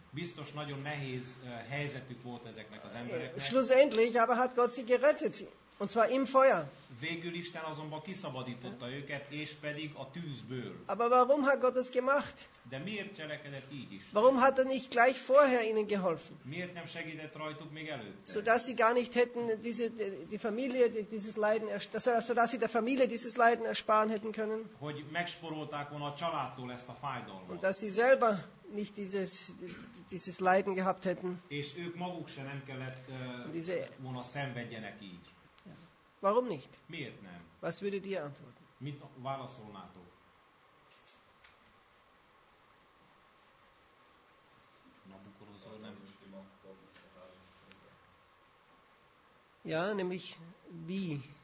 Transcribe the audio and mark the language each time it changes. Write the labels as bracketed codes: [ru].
[hu] Biztos nagyon nehéz helyzetük volt ezeknek az embereknek. [de] Schlussendlich aber hat Gott sie gerettet. Und zwar im Feuer. [hu] Végül Isten azonban kiszabadította őket, és pedig a tűzből. [de] Aber warum hat Gott das gemacht? [hu] De miért cselekedett így Isten? [de] Warum hat er nicht gleich vorher ihnen geholfen? [hu] Miért nem segített rajtuk még előtte? [de] Sodass sie gar nicht hätten der Familie dieses Leiden ersparen hätten können. [hu] Hogy megsporolták volna a családtól ezt a fájdalmat. [de] Und dass sie selber nicht dieses Leiden gehabt hätten. [hu] És ők maguk se nem kellett volna szenvedjenek így. [de] Warum nicht? [hu] Miért nem? [de] Was würdet ihr antworten? [hu] Mit válaszolnátok? [de] Ja, nämlich wie?